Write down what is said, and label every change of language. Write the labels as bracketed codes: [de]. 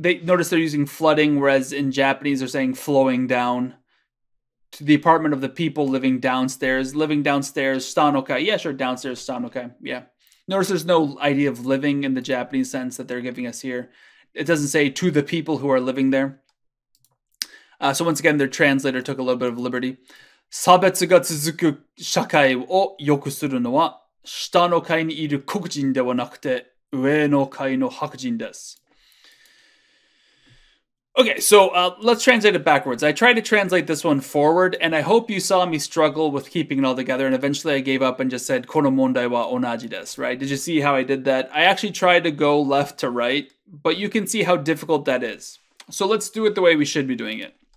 [en] They notice they're using flooding, whereas in Japanese they're saying flowing down to the apartment of the people living downstairs. Living downstairs, stanokai. Yeah, sure, downstairs, stanokai. Yeah. Notice there's no idea of living in the Japanese sense that they're giving us here. It doesn't say to the people who are living there. So once again, their translator took a little bit of liberty. [ja] 差別が続く社会を良くするのは下の階にいる黒人ではなくて上の階の白人です。 [en] Okay, so let's translate it backwards. I tried to translate this one forward, and I hope you saw me struggle with keeping it all together, and eventually I gave up and just said, [ja] この問題は同じです, [en] right? Did you see how I did that? I actually tried to go left to right, but you can see how difficult that is. So let's do it the way we should be doing it.